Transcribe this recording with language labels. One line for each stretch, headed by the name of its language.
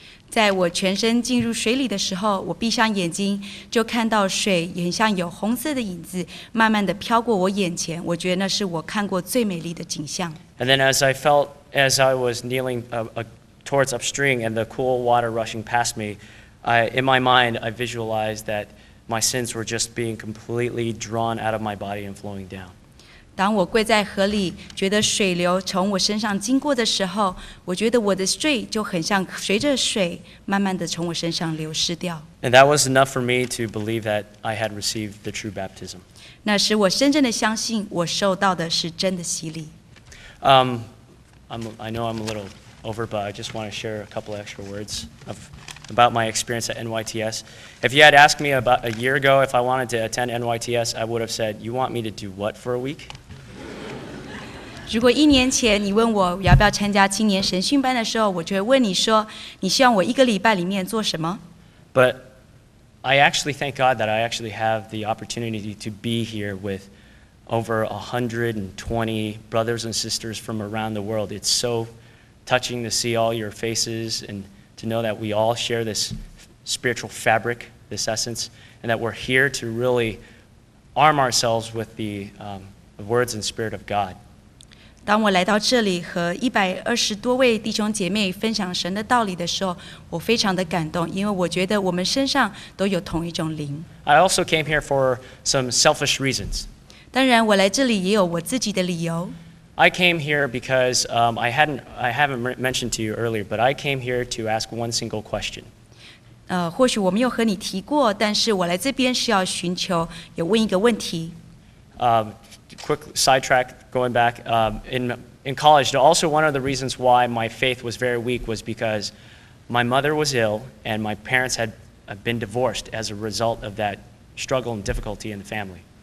Chinese: 在我全身进入水里的时候，我闭上眼睛就看到水很像有红色的影子慢慢地飘过我眼前，我觉得那是我看过最美丽的景象。
English: And then as I felt, as I was kneeling towards upstream and the cool water rushing past me, in my mind, I visualized that my sins were just being completely drawn out of my body and flowing down.
Chinese: 当我跪在河里，觉得水流从我身上经过的时候，我觉得我的罪就很像随着水慢慢地从我身上流失掉。
English: And that was enough for me to believe that I had received the true baptism.
Chinese: 那使我深深地相信我受到的是真的洗礼。
English: I know I'm a little over, but I just want to share a couple extra words about my experience at NYTS. If you had asked me about a year ago if I wanted to attend NYTS, I would have said, you want me to do what for a week?
Chinese: 如果一年前你问我要不要参加青年神训班的时候，我就会问你说，你希望我一个礼拜里面做什么？
English: But I actually thank God that I actually have the opportunity to be here with over 120 brothers and sisters from around the world. It's so touching to see all your faces andTo know that we all share this spiritual fabric, this essence, and that we're here to really arm ourselves with the words and spirit of God.
Chinese: 当我来到这里和一百二十多位弟兄姐妹分享神的道理的时候，我非常的感动，因为我觉得我们身上都有同一种灵。
English: I also came here for some selfish reasons.
Chinese: 当然，我来这里也有我自己的理由。
English: I came here because I haven't mentioned to you earlier, but I came here to ask one single question.
Chinese: 或许我没有和你提过，但是我来这边是要寻求，有问一个问题。
English: Quick sidetrack, going back in college. Also, one of the reasons why my faith was very weak was because my mother was ill and my parents had been divorced as a result of that struggle and difficulty in the family.